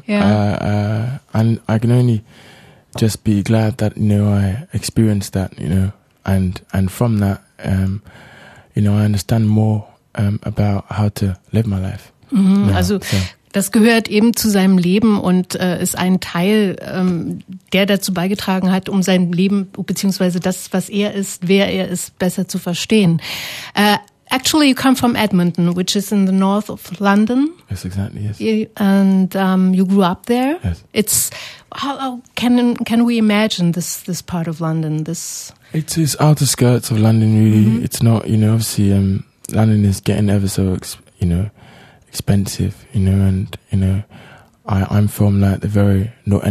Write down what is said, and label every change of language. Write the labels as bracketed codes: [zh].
[en] And I can only just be glad that, you know, I experienced that, you know. And from that, you know, I understand more about how to live my life. Mm-hmm. Also [de] Das gehört eben zu seinem Leben und ist ein Teil, der dazu beigetragen hat, um sein Leben bzw. das, was er ist, wer er ist, besser zu verstehen. [en] Actually, you come from Edmonton, which is in the north of London. Yes, exactly. Yes, you grew up there. Yes, it's how can we imagine this part of London? It's outer skirts of London, really. Mm-hmm. It's not, you know, obviously, London is getting ever so expensive, you know, and you know, I'm from like the very not.